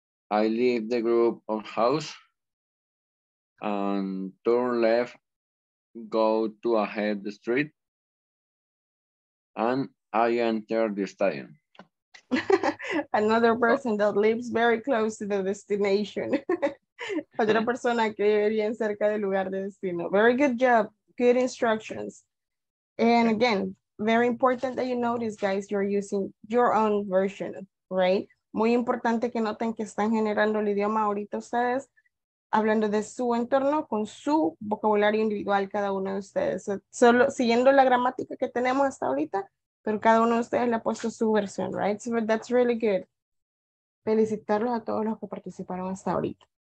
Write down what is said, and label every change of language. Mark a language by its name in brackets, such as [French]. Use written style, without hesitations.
[English] I leave the group of house and turn left, go to ahead the street, and I enter the stadium. Another person that lives very close to the destination. [Spanish] Otra persona que vive bien cerca del lugar de destino. [English] Very good job. Good instructions. And again, very important that you notice, guys, you're using your own version, right? [Spanish] Muy importante que noten que están generando el idioma ahorita ustedes, hablando de su entorno con su vocabulario individual, cada uno de ustedes. Solo siguiendo la gramática que tenemos hasta ahorita, pero cada uno de ustedes le ha puesto su versión, right? [English] So that's really good. [Spanish] Felicitarlos a todos los que participaron hasta ahorita.